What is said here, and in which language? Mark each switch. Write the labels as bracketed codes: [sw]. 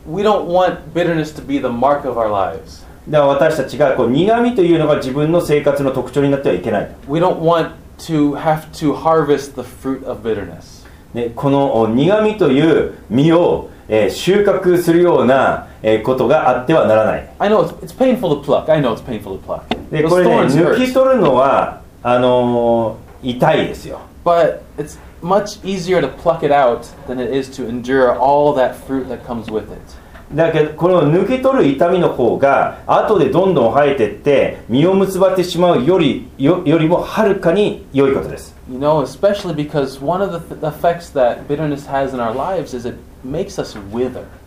[en] We don't want bitterness to be the mark of our lives. [ja] では私たちがこう苦味というのが自分の生活の特徴になってはいけない。 [en] We don't want to have to harvest the fruit of bitterness. [ja] で、この苦味という実を収穫するようなことがあってはならない。 [en] I know it's painful to pluck. I know it's painful to pluck. [ja] で、これね、抜き取るのは痛いですよ。 [en] But it's much easier to pluck it out than it is to endure all that fruit that comes with it. [ja] だけどこの抜き取る痛みの方が後でどんどん生えてって実を結ばってしまうよりもはるかに良いことです。 [en] You know, especially because one of the effects that bitterness has in our lives is it makes us wither.